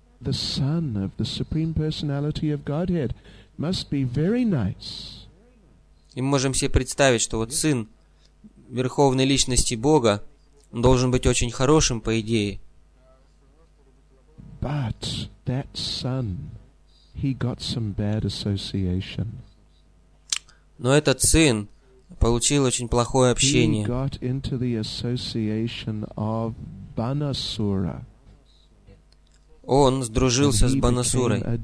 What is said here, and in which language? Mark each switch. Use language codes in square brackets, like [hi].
[ru] Сын Суперной Персоналитети Бога должен быть очень хорошим. И мы можем себе представить, что вот сын Верховной Личности Бога должен быть очень хорошим, по идее. [en] But that son, he got some bad association. [ru] Но этот сын получил очень плохое общение. [en] He got into the association of Banasura. [ru] Он сдружился с Банасурой.